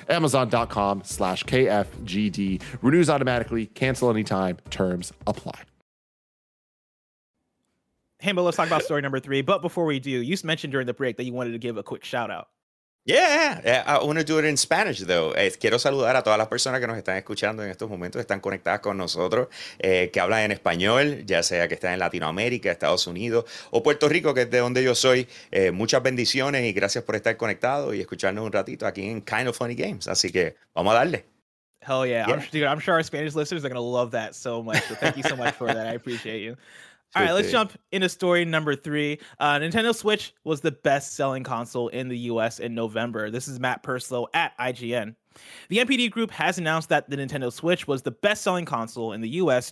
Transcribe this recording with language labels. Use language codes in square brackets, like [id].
[en] amazon.com/KFGD. Renews automatically. Cancel anytime. Terms apply. Hey, but let's talk about story number three. But before we do, you mentioned during the break that you wanted to give a quick shout out. Yeah, I want to do it in Spanish, though. [es] Quiero saludar a todas las personas que nos están escuchando en estos momentos, están conectadas con nosotros, que hablan en español, ya sea que están en Latinoamérica, Estados Unidos o Puerto Rico, que es de donde yo soy. Muchas bendiciones y gracias por estar conectado y escucharnos un ratito aquí en Kind of Funny Games. Así que vamos a darle. [en] Hell yeah. I'm sure our Spanish listeners are going to love that so much. So thank you so much for that. I appreciate you. All right, let's jump into story number three. Nintendo Switch was the best-selling console in the U.S. in November. This is Matt Perslow at IGN. The NPD Group has announced that the Nintendo Switch was the best-selling console in the U.S.